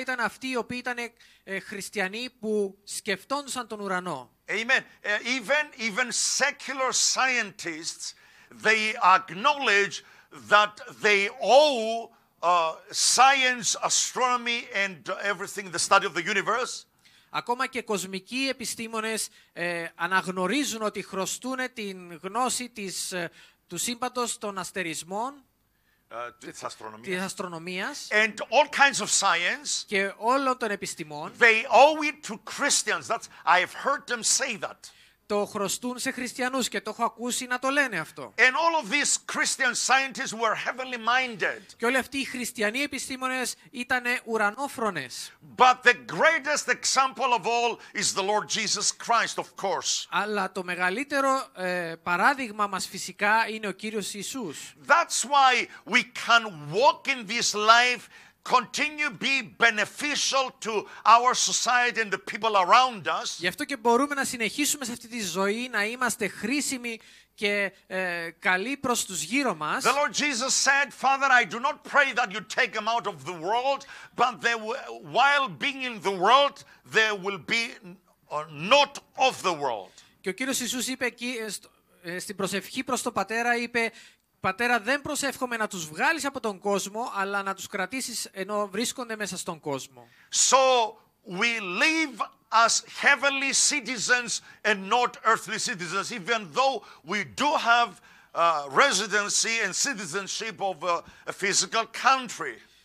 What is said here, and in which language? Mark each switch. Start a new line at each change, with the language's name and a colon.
Greek: Ήταν αυτοί οι οποίοι ήταν χριστιανοί που σκεφτόντουσαν τον ουρανό.
English: Amen. Even secular scientists, they acknowledge that they owe science, astronomy and everything, the study of the universe.
Greek: Ακόμα και κοσμικοί επιστήμονες αναγνωρίζουν ότι χρωστούν την γνώση του σύμπαντος των αστερισμών, της αστρονομίας
English: and all kinds of science,
Greek: και όλων των επιστημών.
English: They owe it to Christians. That's, I've heard them say that.
Greek: Το χρωστούν σε χριστιανούς και το έχω ακούσει να το λένε αυτό.
English: And all of these Christian scientists were heavenly minded.
Greek: Και όλοι αυτοί οι χριστιανοί επιστήμονες ήταν ουρανόφρονες.
English: But the greatest example of all is the Lord Jesus Christ, of course.
Greek: Αλλά το μεγαλύτερο παράδειγμα μας φυσικά είναι ο Κύριος Ιησούς.
English: That's why we can walk in this life, continue be beneficial to our society and the people around us.
Greek: Γι' αυτό και μπορούμε να συνεχίσουμε σε αυτή τη ζωή να είμαστε χρήσιμοι και καλοί προς τους γύρω μας.
English: The Lord Jesus said, Father, I do not pray that you take them out of the world, but they while being in the world, they will be not of the world.
Greek: Και ο Κύριος Ιησούς είπε εκεί στην προσευχή προς τον Πατέρα, είπε: Πατέρα, δεν προσεύχομαι να τους βγάλεις από τον κόσμο, αλλά να τους κρατήσεις ενώ βρίσκονται μέσα στον κόσμο.
English: So we live as heavenly citizens and not earthly citizens, even though we do have residency and citizenship of a physical country.